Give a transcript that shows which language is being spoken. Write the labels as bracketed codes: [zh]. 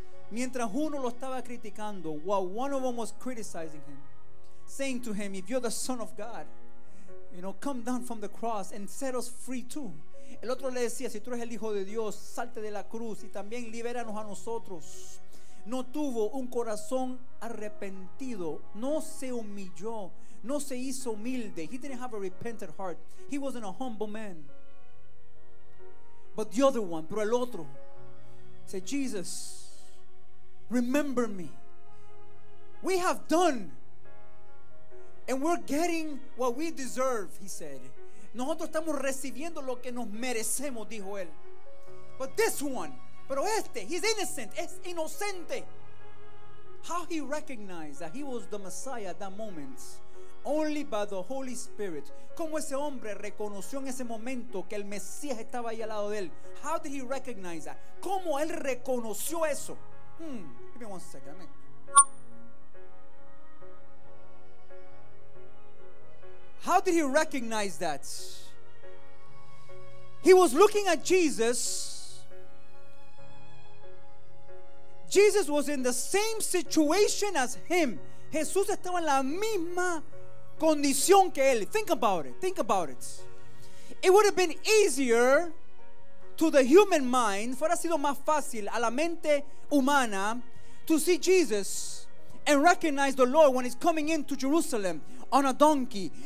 [es] Mientras uno lo estaba criticando, [en] while one of them was criticizing him, saying to him, if you're the son of God, you know, come down from the cross and set us free too. [es] El otro le decía, si tú eres el hijo de Dios, salte de la cruz y también libéranos a nosotros. No tuvo un corazón arrepentido, no se humilló, no se hizo humilde. [en] He didn't have a repentant heart. He wasn't a humble man. But the other one, [es] pero el otro, [en] said, Jesus, remember me. We have done and we're getting what we deserve, he said. [es] Nosotros estamos recibiendo lo que nos merecemos, dijo él. [en] But this one, [es] pero este, [en] he's innocent, [es] es inocente. [en] How he recognized that he was the Messiah at that moment, only by the Holy Spirit. [es] Como ese hombre reconoció en ese momento que el Mesías estaba ahí al lado de él. [en] How did he recognize that? [es] Como él reconoció eso. [en] Give me 1 second. Amen. How did he recognize that? He was looking at Jesus. Jesus was in the same situation as him. [es] Jesús estaba en la misma condición que él. [en] Think about it. It would have been easier to the human mind, [es] fuera sido más fácil a la mente humana, [en] to see Jesus and recognize the Lord when he's coming into Jerusalem on a donkey.